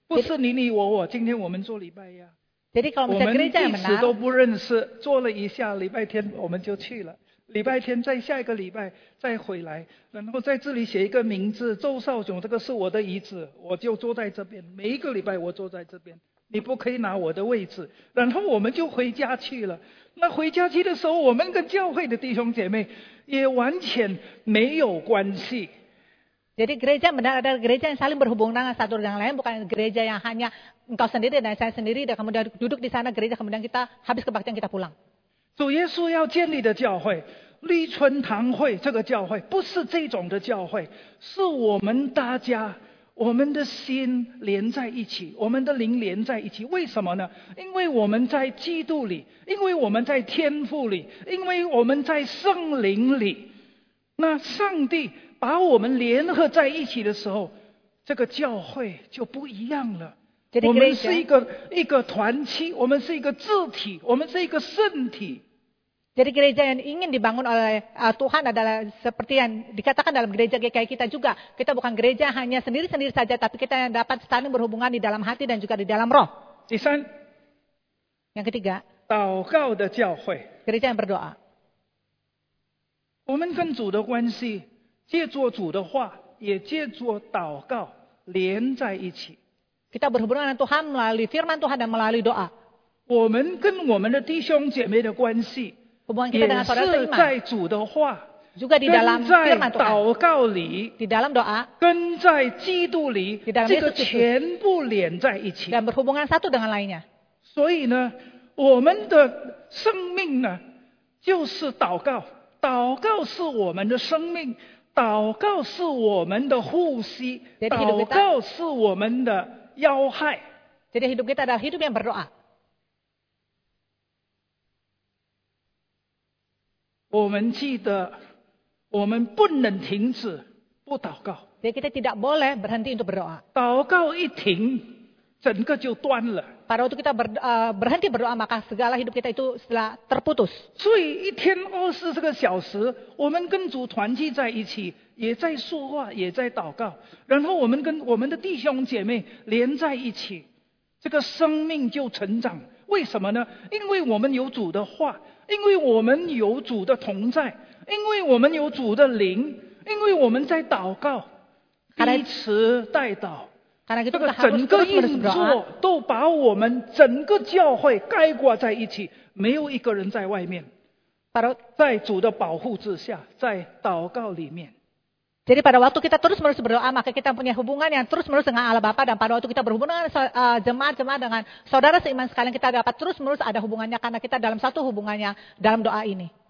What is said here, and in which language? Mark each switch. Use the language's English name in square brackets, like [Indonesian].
[Indonesian] Jadi kalau misalnya gereja yang benar, [Chinese] 我们彼此都不认识，做了一下礼拜天我们就去了，礼拜天再下一个礼拜再回来，然后在这里写一个名字，周少炯，这个是我的椅子，我就坐在这边，每一个礼拜我坐在这边，你不可以拿我的位置，然后我们就回家去了。那回家去的时候，我们跟教会的弟兄姐妹也完全没有关系。 [Indonesian] Jadi gereja benar ada gereja yang saling berhubungan satu dengan lain, bukan gereja yang hanya engkau sendiri dan saya sendiri dan kemudian duduk di sana gereja kemudian kita habis kebaktian kita pulang. [Chinese] 主耶稣要建立的教会，立春堂会这个教会不是这种的教会，是我们大家我们的心连在一起，我们的灵连在一起。为什么呢？因为我们在基督里，因为我们在天父里，因为我们在圣灵里。那上帝把我们联合在一起的时候，这个教会就不一样了。 [Indonesian] Jadi, [Chinese] 我们是一个团契，我们是一个肢体，我们是一个身体。 [Indonesian] Jadi gereja yang ingin dibangun oleh Tuhan adalah seperti yang dikatakan dalam gereja GKI kita juga. Kita bukan gereja hanya sendiri-sendiri saja, tapi kita yang dapat saling berhubungan di dalam hati dan juga di dalam roh. [Chinese] 第三, [Indonesian] yang ketiga, [Chinese] 祷告的教会, [Indonesian] gereja yang berdoa. [Chinese] 我们跟主的关系，借着主的话，也借着祷告连在一起。 [Indonesian] Kita berhubungan dengan Tuhan melalui firman Tuhan dan melalui doa. [Chinese] 我们跟我们的弟兄姐妹的关系也是在主的话， [Indonesian] juga di dalam firman Tuhan, [Chinese] 跟在祷告里， [Indonesian] di dalam doa, [Chinese] 跟在基督里， [Indonesian] di dalam Yesus Kristus, [Chinese] 这个全部连在一起。 [Indonesian] Dan berhubungan satu dengan lainnya. [Chinese] 所以呢，我们的生命呢，就是祷告。祷告是我们的生命，祷告是我们的呼吸，祷告是我们的要害。 [Indonesian] Jadi hidup kita adalah hidup yang berdoa. [Chinese] 我们记得我们不能停止不祷告。 [Indonesian] Jadi kita tidak boleh berhenti untuk berdoa. [Chinese] 祷告一停，整个就断了。 [Indonesian] Pada waktu kita berhenti berdoa, maka segala hidup kita itu setelah terputus. [Chinese] 所以一天24小时，我们跟主团聚在一起，也在说话，也在祷告，然后我们跟我们的弟兄姐妹连在一起，这个生命就成长。为什么呢？因为我们有主的话，因为我们有主的同在，因为我们有主的灵，因为我们在祷告，彼此代祷。 [Indonesian] Karena itu, [Chinese] 这个整个运作都把我们整个教会盖挂在一起，没有一个人在外面，在主的保护之下，在祷告里面。 [Indonesian] Jadi pada waktu kita terus-menerus berdoa, maka kita punya hubungan yang terus-menerus dengan Allah Bapa, dan pada waktu kita berhubungan dengan jemaat-jemaat, dengan saudara seiman sekalian, kita dapat terus-menerus ada hubungannya, karena kita dalam satu hubungannya dalam doa ini.